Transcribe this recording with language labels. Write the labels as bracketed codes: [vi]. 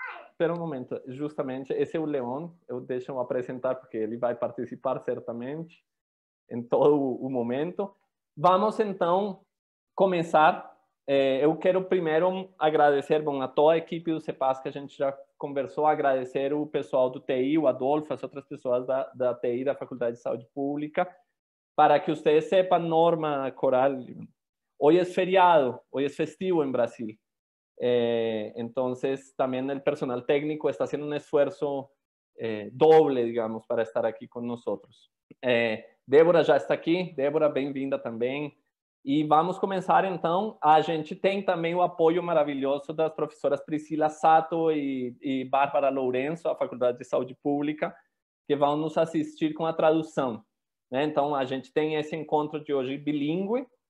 [pt] Espera um momento. Justamente, esse é o Leon. Eu deixo apresentar, porque ele vai participar certamente em todo o momento. Vamos, então, começar. Eu quero primeiro agradecer a toda a equipe do CEPAS, que a gente já conversou, agradecer o pessoal do TI, o Adolfo, as outras pessoas da TI, da Faculdade de Saúde Pública. [es] Para que ustedes sepan, Norma, Coral, hoy es feriado, hoy es festivo en Brasil. Entonces, también el personal técnico está haciendo un esfuerzo doble, digamos, para estar aquí con nosotros. Débora ya está aquí. Débora, bienvenida también. Y vamos a comenzar, entonces. A gente tiene también el apoyo maravilloso de las profesoras Priscila Sato y Bárbara Lourenço, de la Facultad de Salud Pública, que van a nos asistir con la traducción. [pt] Então, a gente tem esse encontro de hoje bilíngue.